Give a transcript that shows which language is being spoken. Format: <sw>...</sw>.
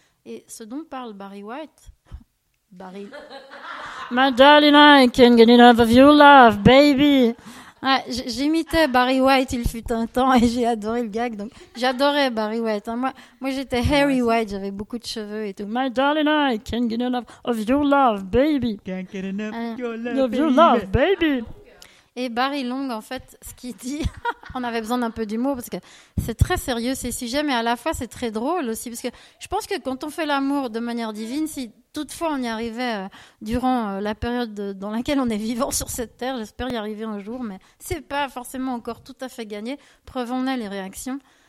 <fr>Et ce dont parle</fr> <en>Barry White, Barry, my darling, I can't get enough of your love, baby.</en> <fr>Ouais, j'imitais Barry White, il fut un temps, et j'ai adoré le gag, donc j'adorais Barry White. Hein. Moi, j'étais Harry White, j'avais beaucoup de cheveux et tout.</fr> <en>My darling, I can't get enough of your love, baby. Can't get enough of your love, baby.</en> <fr>Et Barry Long, en fait, ce qu'il dit, on avait besoin d'un peu d'humour, parce que c'est très sérieux ces sujets, mais à la fois, c'est très drôle aussi, parce que je pense que quand on fait l'amour de manière divine, si toutefois on y arrivait durant la période dans laquelle on est vivant sur cette terre, j'espère y arriver un jour, mais c'est pas forcément encore tout à fait gagné, preuve en est les réactions.</fr>